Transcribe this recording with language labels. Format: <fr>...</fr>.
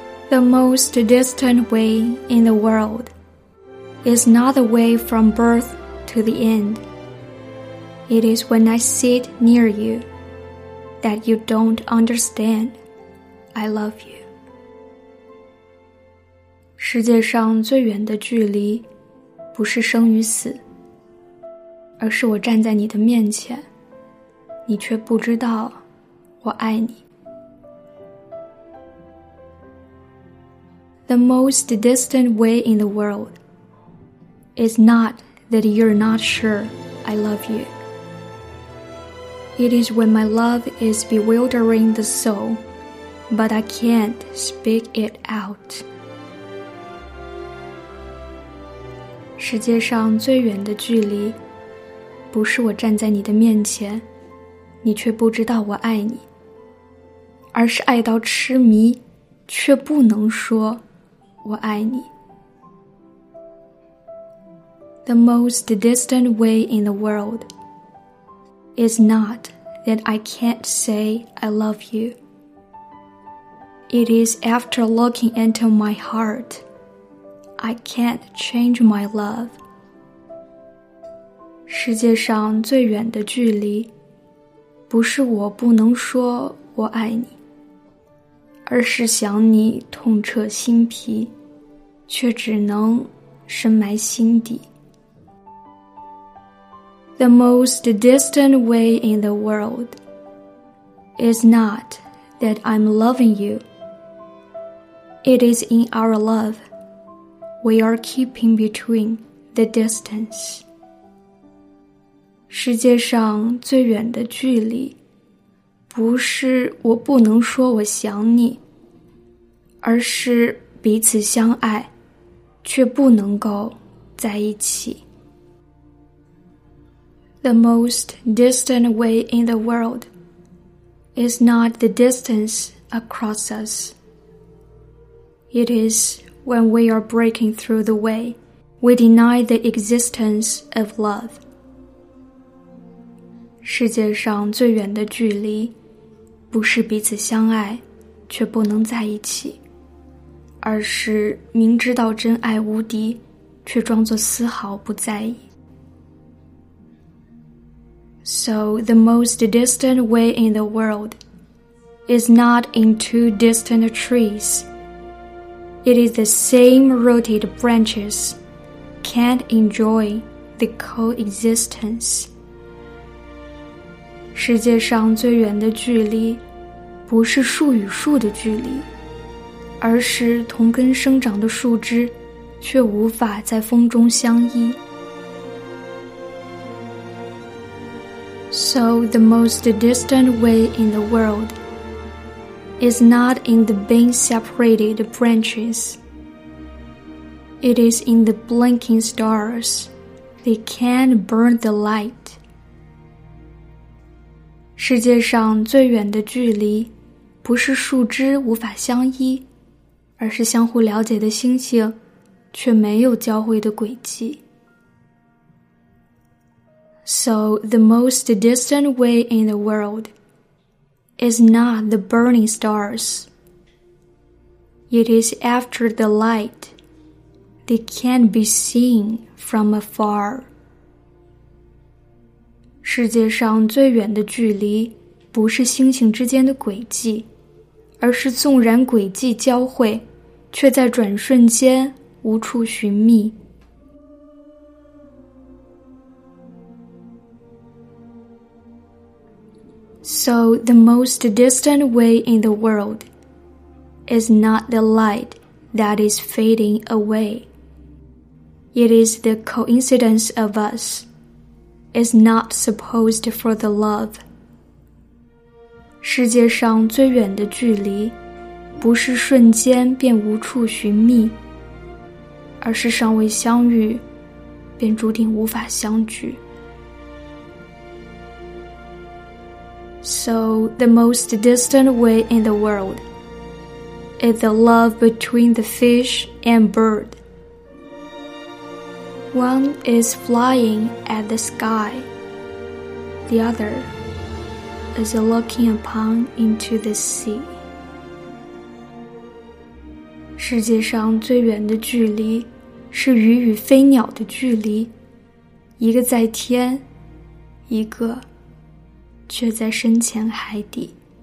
<en>The most distant way in the world is not the way from birth to the end. It is when I sit near you that you don't understand I love you.</en> <zh>世界上最远的距离不是生与死，而是我站在你的面前，你却不知道我爱你。</zh> <en>The most distant way in the world is not that you're not sure I love you. It is when my love is bewildering the soul, but I can't speak it out.</en> <zh>世界上最远的距离不是我站在你的面前，你却不知道我爱你，而是爱到痴迷，却不能说我爱你。</zh> <en>The most distant way in the world is not that I can't say I love you. It is after looking into my heart, I can't change my love.</en> <zh>世界上最远的距离不是我不能说我爱你，而是想你痛彻心脾，却只能深埋心底。</zh> <en>The most distant way in the world is not that I'm loving you. It is in our love we are keeping between the distance.</en> <zh>世界上最远的距离不是我不能说我想你，而是彼此相爱却不能够在一起。</zh> <en>The most distant way in the world is not the distance across us. It is when we are breaking through the way we deny the existence of love.</en> <zh>世界上最远的距离不是彼此相爱却不能在一起，而是明知道真爱无敌，却装作丝毫不在意。</zh> <en>So the most distant way in the world is not in two distant trees. It is the same rooted branches can't enjoy the coexistence.</en> <zh>世界上最远的距离不是树与树的距离，而是同根生长的树枝却无法在风中相依。</zh> <en>So the most distant way in the world is not in the being separated branches. It is in the blinking stars they can burn the light.</en> <zh>世界上最远的距离不是树枝无法相依，而是相互了解的星星却没有交汇的轨迹。</zh> <en>So the most distant way in the world is not the burning stars. It is after the light they can be seen from afar.</en> <zh>世界上最远的距离不是星星之间的轨迹，而是纵然轨迹交汇却在转瞬间无处寻觅。</zh> <en>So the most distant way in the world is not the light that is fading away. It is the coincidence of us is not supposed for the love.</en> <zh>世界上最远的距离，不是瞬间便无处寻觅，而是尚未相遇，便注定无法相聚。</zh> <en>So, the most distant way in the world is the love between the fish and bird. One is flying at the sky. The other is looking upon into the sea.</en> <zh>世界上最远的距离是鱼与飞鸟的距离，一个在天，一个却在深潜海底。</zh>